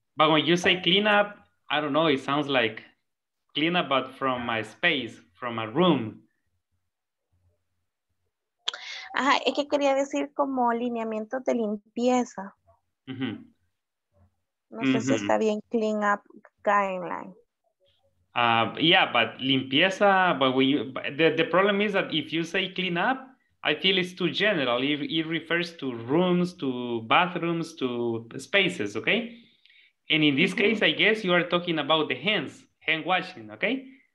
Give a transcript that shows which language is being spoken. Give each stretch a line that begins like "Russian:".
English: But when you say clean up, I don't know, it sounds like clean up, but from my space, from a room.
Spanish: Ajá, es que quería decir como lineamientos de limpieza. Mm-hmm. No sé mm-hmm. si está bien
English: clean up guideline. Yeah, but limpieza, but the problem is that if you say clean up, I feel it's too general. It refers to rooms, to bathrooms, to spaces, okay? And in this case, I guess you are talking about the hand washing, okay?